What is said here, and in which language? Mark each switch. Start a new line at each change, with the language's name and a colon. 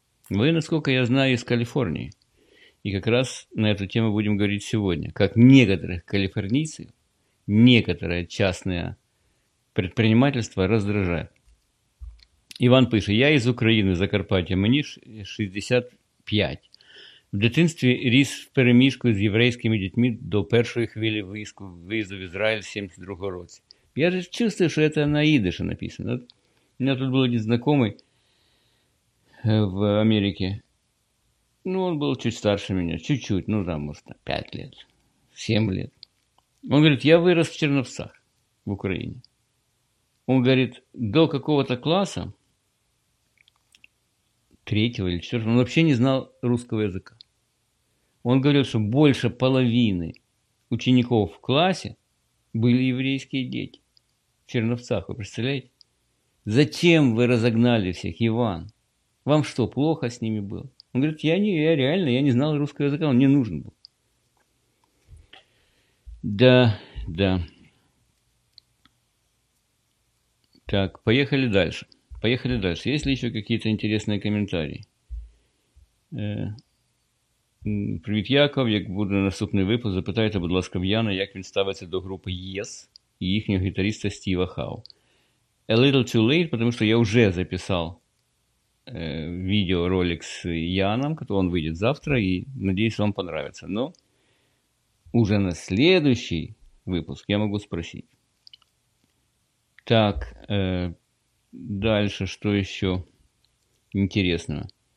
Russian: Вы, насколько я знаю, из Калифорнии. И как раз на эту тему будем говорить сегодня. Как некоторых калифорнийцев, некоторое частное предпринимательство раздражает. Иван пишет, я из Украины, Закарпатья, мне 65.
Ukrainian: В дитинстві ріс в переміжку з єврейськими дітьми до першої хвилі виїзду в Ізраїль в 72-му році. Я ж чувствую, що це на ідиші написано. От, у мене тут був один знайомий, в Америке.
Russian: Ну, он был чуть старше меня. Чуть-чуть. Ну, там, может, 5 лет. 7 лет. Он говорит, я вырос в Черновцах, в Украине. Он говорит, до какого-то класса, третьего или четвертого, он вообще не знал русского языка. Он говорил, что больше половины учеников в классе были еврейские дети. В Черновцах, вы представляете? Зачем вы разогнали всех, Иван? Вам что, плохо с ними было? Он говорит, я не знал русского языка, он мне нужен был. Да, да. Так, поехали дальше. Поехали дальше. Есть ли еще какие-то интересные комментарии?
Ukrainian: Привіт, Яков. Як буде наступний випуск, запитайте, будь ласка, в Яна, як він ставиться до групи Yes і їхнього гітариста Стіва Хау.
English: A little too late,
Ukrainian: тому що я вже записав відеоролик з Яном, який він вийде завтра, і надіюсь, вам понравиться.
Russian: Но уже на следующий випуск я можу спросити. Так, дальше, что еще интересного?